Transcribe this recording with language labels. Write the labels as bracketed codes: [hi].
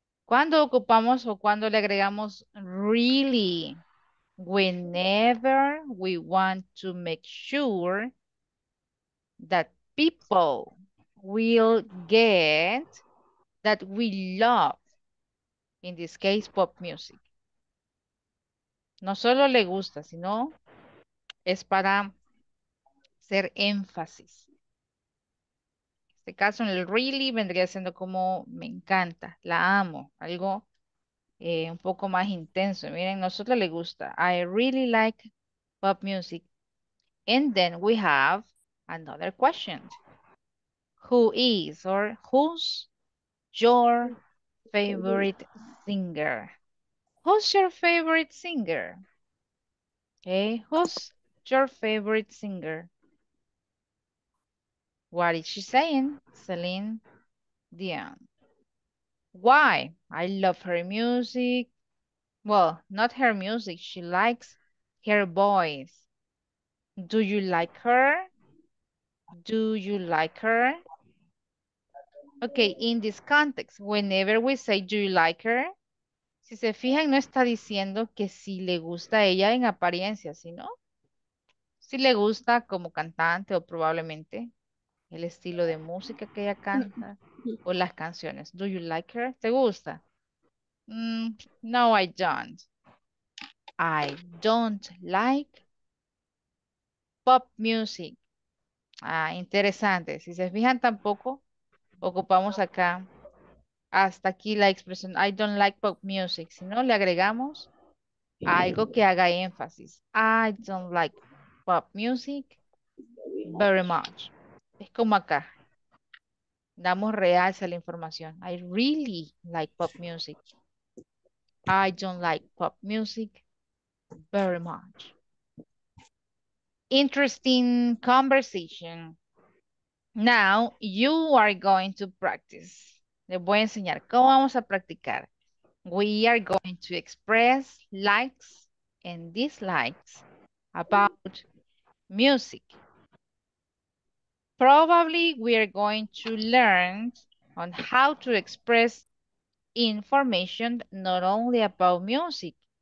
[es] ¿Cuándo ocupamos o cuándo le agregamos really? [en] Whenever we want to make sure that people will get that we love, in this case, pop music. [es] No solo le gusta, sino es para hacer énfasis. En este caso, en el really vendría siendo como me encanta, la amo, algo un poco más intenso. Miren, nosotros le gusta. [en] I really like pop music. And then we have another question. Who is or who's your favorite singer? Who's your favorite singer? Okay, who's your favorite singer? What is she saying? Celine Dion. Why? I love her music. Well, not her music. She likes her voice. Do you like her? Do you like her? Okay, in this context, whenever we say, do you like her? [es] Si se fijan, no está diciendo que si le gusta a ella en apariencia, sino si le gusta como cantante o probablemente el estilo de música que ella canta. O las canciones. [en] Do you like her? [es] ¿Te gusta? [en] No, I don't. I don't like pop music. [es] Ah, interesante. Si se fijan tampoco, ocupamos acá, hasta aquí la expresión [en] I don't like pop music. [es] Si no, le agregamos algo que haga énfasis. [en] I don't like pop music very much. [es] Es como acá. Damos realce a la información. [en] I really like pop music. I don't like pop music very much. Interesting conversation. Now you are going to practice. [es] Les voy a enseñar cómo vamos a practicar. [en] We are going to express likes and dislikes about music. Probably we are going to learn on how to express information not only about music.